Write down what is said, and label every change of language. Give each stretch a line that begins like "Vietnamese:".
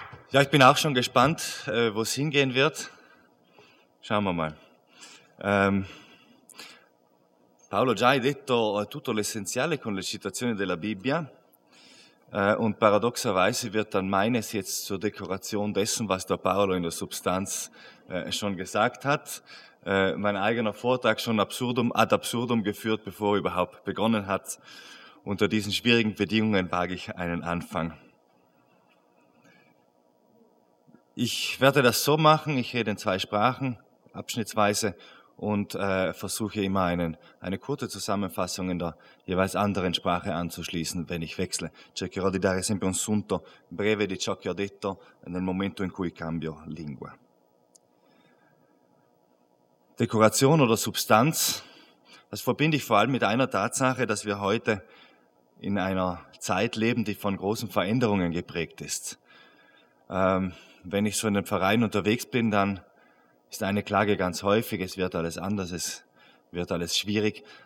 German: Ja, ich bin auch schon gespannt, wo es hingehen wird. Schauen wir mal.
Italian: Paolo, già hai detto tutto l'essenziale con le citazioni della Bibbia.
German: Und paradoxerweise wird dann meines jetzt zur Dekoration dessen, was der Paolo in der Substanz schon gesagt hat. Mein eigener Vortrag schon ad absurdum geführt, bevor er überhaupt begonnen hat. Unter diesen schwierigen Bedingungen wage ich einen Anfang. Ich werde das so machen, ich rede in zwei Sprachen, abschnittsweise, und versuche immer eine kurze Zusammenfassung in der jeweils anderen Sprache anzuschließen, wenn ich wechsle.
Italian: Cercherò di dare sempre un sunto breve di ciò che ho detto nel momento in cui cambio lingua.
German: Dekoration oder Substanz, das verbinde ich vor allem mit einer Tatsache, dass wir heute in einer Zeit leben, die von großen Veränderungen geprägt ist. Wenn ich so in den Vereinen unterwegs bin, dann ist eine Klage ganz häufig, es wird alles anders, es wird alles schwierig.